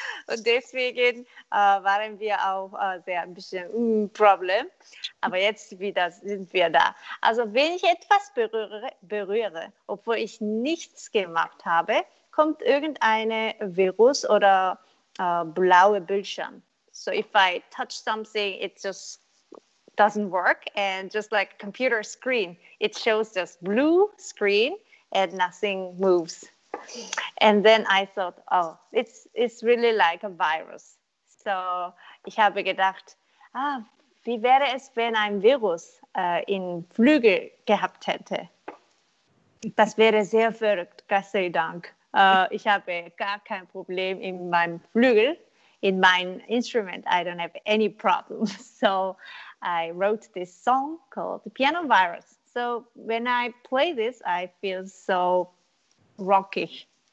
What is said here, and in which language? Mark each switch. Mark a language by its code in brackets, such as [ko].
[de] Und deswegen waren wir auch sehr ein bisschen Problem. Aber jetzt wieder sind wir da. Also wenn ich etwas berühre, obwohl ich nichts gemacht habe, kommt irgendeine Virus oder blaue Bildschirm. [en] So if I touch something, it just doesn't work. And just like computer screen, it shows just blue screen. And nothing moves. And then I thought, oh, it's really like a virus. [de] So ich habe gedacht, wie wäre es, wenn ein Virus in Flügel gehabt hätte? Das wäre sehr verrückt, Gott sei Dank. Ich habe gar kein Problem in meinem Flügel, in meinem Instrument. [en] I don't have any problems. So I wrote this song called Piano Virus. So when I play this, I feel so rocky.